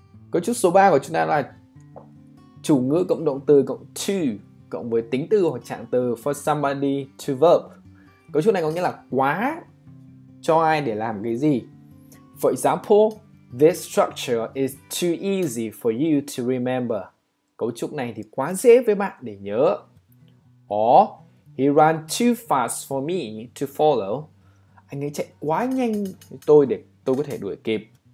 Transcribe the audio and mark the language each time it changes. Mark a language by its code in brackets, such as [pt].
[vi] Cấu trúc số 3 của chúng ta là chủ ngữ cộng động từ cộng to cộng với tính từ hoặc trạng từ for somebody to verb. Cấu trúc này có nghĩa là quá cho ai để làm cái gì. [en] For example, this structure is too easy for you to remember. [vi] Cấu trúc này thì quá dễ với bạn để nhớ. [en] Or, he ran too fast for me to follow. [vi] Anh ấy chạy quá nhanh với tôi để tôi có thể đuổi kịp.